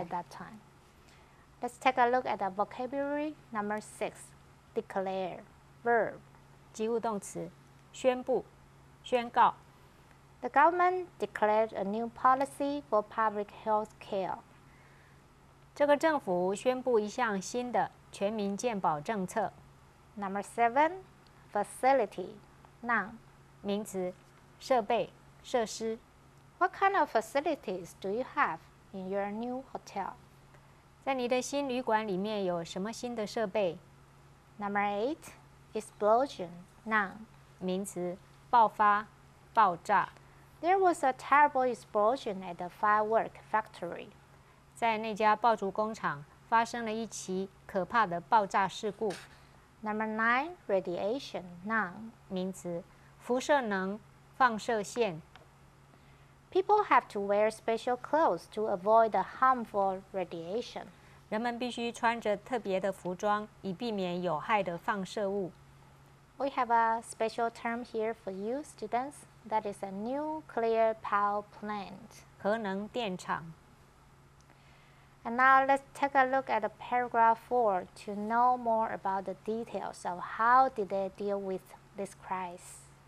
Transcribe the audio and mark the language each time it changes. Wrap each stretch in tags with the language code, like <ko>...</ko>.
<en>At that time. Let's take a look at the vocabulary number 6, declare, verb.</en> <zh>及物动词，宣布，宣告。</zh> <en>The government declared a new policy for public health care.</en> <zh>这个政府宣布一项新的全民健保政策。</zh> <en>Number 7, facility, noun.</en> <zh>名词，设备，设施。</zh> <en>What kind of facilities do you have in your new hotel?</en> <zh>在你的新旅馆里面有什么新的设备</zh> <en>？Number 8, explosion, noun,</en> <zh>名词，爆发，爆炸。</zh> <en>There was a terrible explosion at the firework factory.</en> <zh>在那家爆竹工厂发生了一起可怕的爆炸事故。</zh> <en>Number 9, radiation, noun,</en> <zh>名词，辐射能，放射线。</zh> <en>People have to wear special clothes to avoid the harmful radiation.</en> <zh>人们必须穿着特别的服装以避免有害的放射物。</zh> <en>We have a special term here for you, students. That is a nuclear power plant.</en> <zh>核能电厂。</zh> <en>And now let's take a look at paragraph 4 to know more about the details of how did they deal with this crisis.</en>